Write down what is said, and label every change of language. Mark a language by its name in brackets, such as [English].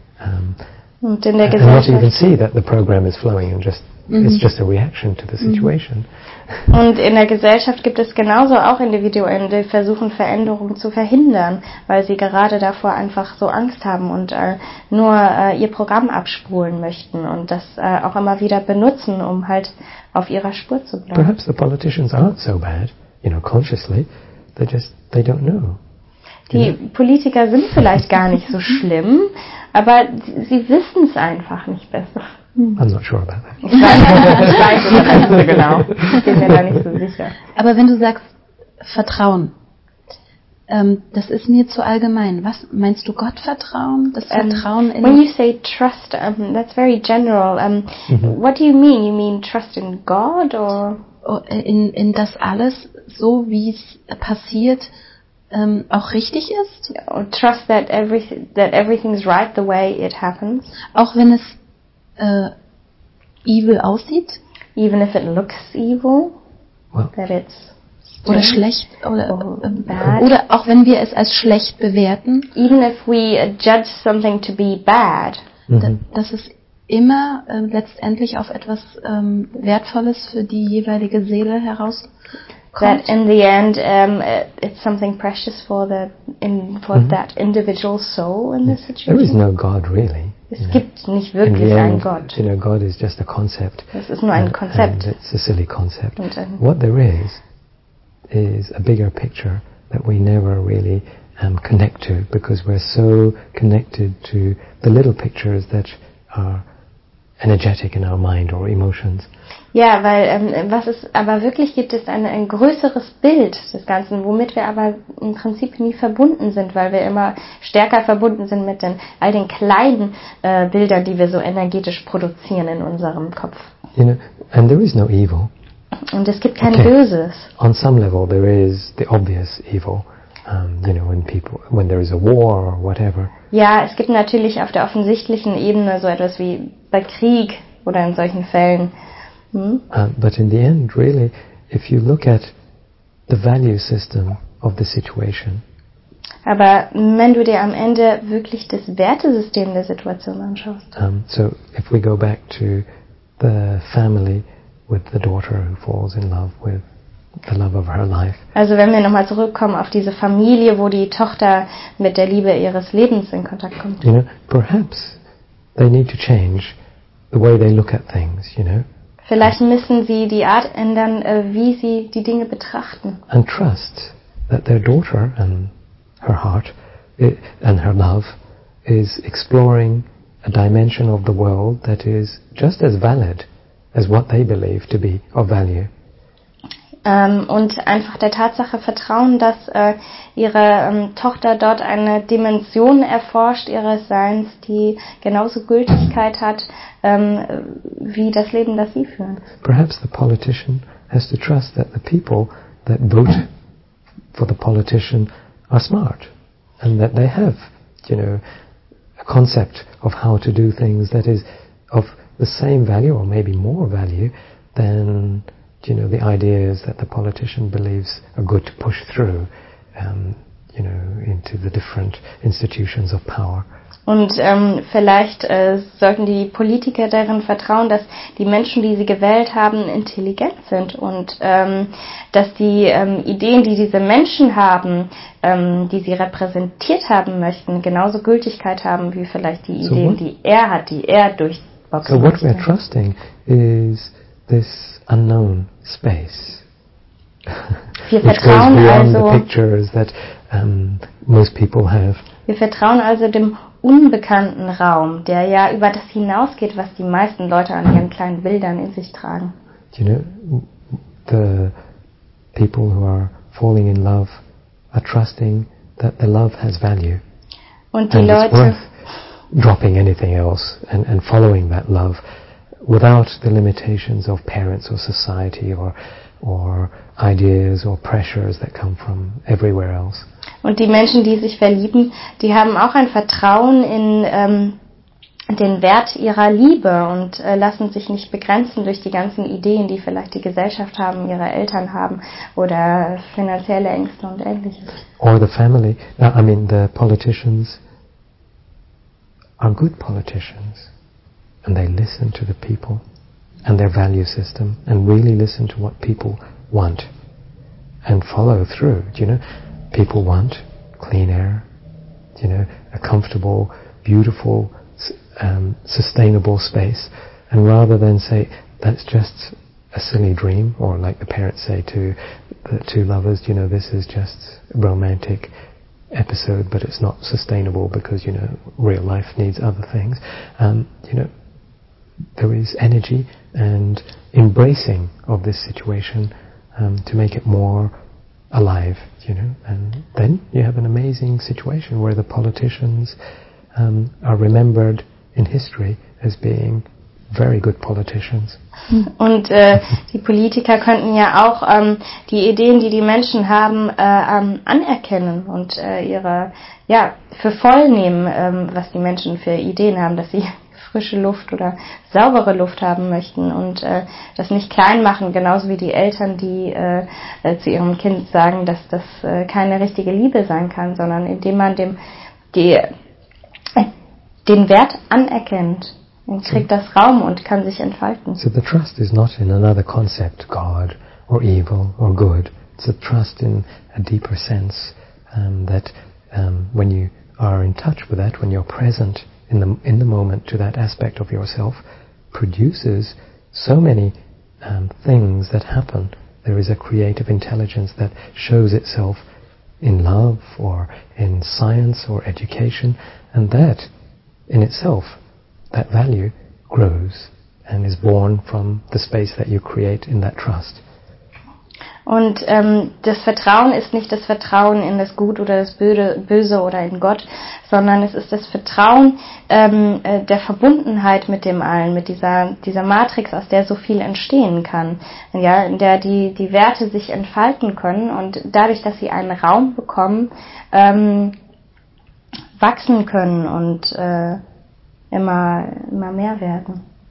[English] And not even see that the program is flowing and just, it's just a reaction to the situation. [German] Und in der Gesellschaft gibt es genauso auch Individuen, die versuchen, Veränderungen zu verhindern, weil sie gerade davor einfach so Angst haben und nur ihr Programm abspulen möchten und das auch immer wieder benutzen, um halt auf ihrer Spur zu bleiben. [English] Perhaps the politicians aren't so bad, you know, consciously. They don't know. [German] Die Politiker sind vielleicht gar nicht so schlimm, aber sie wissen es einfach nicht besser. [English] I'm not sure about that. [German] Ich weiß nicht genau. Ich bin mir da nicht so sicher. Aber wenn du sagst Vertrauen, das ist mir zu allgemein. Was meinst du Gott vertrauen? Das Vertrauen in. [English] When you say trust, that's very general. What do you mean? You mean trust in God or [German] in das alles so wie es passiert auch richtig ist? [English] Or trust that everything's right the way it happens. [German] Auch wenn es [English] evil [German] aussieht. [English] Even if it looks evil, that it's [German] oder schlecht oder [English] bad. [German] Oder auch wenn wir es als schlecht bewerten. [English] Even if we judge something to be bad, [German] dass es immer letztendlich auf etwas Wertvolles für die jeweilige Seele herauskommt. [English] That in the end it's something precious for the that individual soul in this situation. There is no God really. [German] Es gibt nicht wirklich einen Gott. [English] You know, God is just a concept. [German] Es ist nur ein Konzept. [English] And it's a silly concept. What there is a bigger picture that we never really connect to, because we're so connected to the little pictures that are energetic in our mind or emotions. [German] Ja, weil was es aber wirklich gibt, ist ein größeres Bild des Ganzen, womit wir aber im Prinzip nie verbunden sind, weil wir immer stärker verbunden sind mit all den kleinen Bildern, die wir so energetisch produzieren in unserem Kopf. [English] You know, and there is no evil. [German] Und es gibt kein Böses. [English] On some level there is the obvious evil. You know, when there is a war or whatever. [German] Ja, es gibt natürlich auf der offensichtlichen Ebene so etwas wie bei Krieg oder in solchen Fällen. [English] But in the end, really, if you look at the value system of the situation. [German] Aber wenn du dir am Ende wirklich das Wertesystem der Situation anschaust. [English] So if we go back to the family with the daughter who falls in love with the love of her life. [German] Also wenn wir nochmal zurückkommen auf diese Familie, wo die Tochter mit der Liebe ihres Lebens in Kontakt kommt. [English] You know, perhaps they need to change the way they look at things, you know. [German] Vielleicht müssen sie die Art ändern, wie sie die Dinge betrachten. [English] And trust that their daughter and her heart and her love is exploring a dimension of the world that is just as valid as what they believe to be of value. [German] Und einfach der Tatsache vertrauen, dass ihre Tochter dort eine Dimension erforscht ihres Seins, die genauso Gültigkeit hat, wie das Leben, das sie führen. [English] Perhaps the politician has to trust that the people that vote for the politician are smart and that they have, you know, a concept of how to do things that is of the same value or maybe more value than, you know, the ideas that the politician believes are good to push through, you know, into the different institutions of power. [German] Und vielleicht sollten die Politiker darin vertrauen, dass die Menschen, die sie gewählt haben, intelligent sind und dass die Ideen, die diese Menschen haben, die sie repräsentiert haben möchten, genauso Gültigkeit haben wie vielleicht die Ideen, die er hat, die er durchboxen möchte. [English] So what we're trusting is this unknown space. [German] Wir vertrauen [English] which goes beyond the pictures that most people have. [German] Wir vertrauen also dem unbekannten Raum, der ja über das hinausgeht, was die meisten Leute an ihren kleinen Bildern in sich tragen. [English] You know, the people who are falling in love are trusting that the love has value. [German] Und die [English] and [German] Leute [English] it's worth dropping anything else and following that love without the limitations of parents or society or ideas or pressures that come from everywhere else. [German] Und die Menschen, die sich verlieben, die haben auch ein Vertrauen in den Wert ihrer Liebe und lassen sich nicht begrenzen durch die ganzen Ideen, die vielleicht die Gesellschaft haben, ihre Eltern haben oder finanzielle Ängste und ähnliches. [English] Or the family, I mean the politicians are good politicians and they listen to the people and their value system and really listen to what people want and follow through, do you know? People want clean air, you know, a comfortable, beautiful, sustainable space. And rather than say, that's just a silly dream, or like the parents say to the two lovers, you know, this is just a romantic episode, but it's not sustainable because, you know, real life needs other things. You know, there is energy and embracing of this situation to make it more alive, you know, and then you have an amazing situation where the politicians are remembered in history as being very good politicians. [German] Und die Politiker könnten ja auch die Ideen, die die Menschen haben, anerkennen und ihre, ja, für voll nehmen, was die Menschen für Ideen haben, dass sie frische Luft oder saubere Luft haben möchten und das nicht klein machen, genauso wie die Eltern, die zu ihrem Kind sagen, dass das keine richtige Liebe sein kann, sondern indem man den Wert anerkennt und kriegt das Raum und kann sich entfalten. [English] So the trust is not in another concept, God or evil or good. It's a trust in a deeper sense that when you are in touch with that, when you're present in the moment to that aspect of yourself, produces so many things that happen. There is a creative intelligence that shows itself in love or in science or education, and that in itself, that value grows and is born from the space that you create in that trust. [German] Und das Vertrauen ist nicht das Vertrauen in das Gut oder das Böse oder in Gott, sondern es ist das Vertrauen der Verbundenheit mit dem Allen, mit dieser Matrix, aus der so viel entstehen kann, ja, in der die Werte sich entfalten können und dadurch, dass sie einen Raum bekommen, wachsen können und immer mehr werden.